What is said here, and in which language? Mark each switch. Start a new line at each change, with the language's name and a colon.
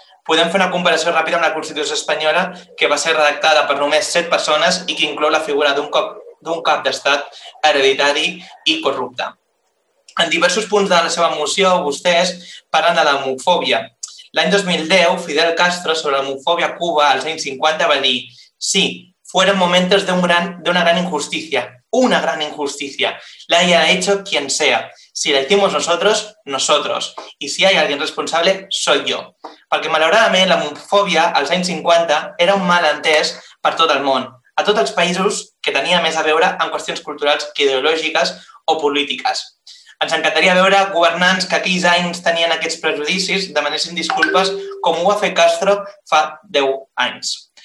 Catalan: Podem fer una comparació ràpida amb la Constitució espanyola, que va ser redactada per només 7 persones i que inclou la figura d'un cap d'estat hereditari i corrupte. En diversos punts de la seva moció, vostès parlen de l'homofòbia. L'any 2010, Fidel Castro, sobre l'homofòbia a Cuba, als anys 50, va dir:
Spanish: «Sí, fueron momentos de una gran injusticia, una gran injusticia. La haya hecho quien sea. Si la hicimos nosotros, nosotros. Y si hay alguien responsable, soy yo».
Catalan: Perquè, malauradament, l'homofòbia als anys 50 era un mal entès per tot el món, a tots els països que tenia més a veure amb qüestions culturals que ideològiques o polítiques. Ens encantaria veure governants que aquells anys tenien aquests prejudicis demanessin disculpes com ho va fer Castro fa 10 anys.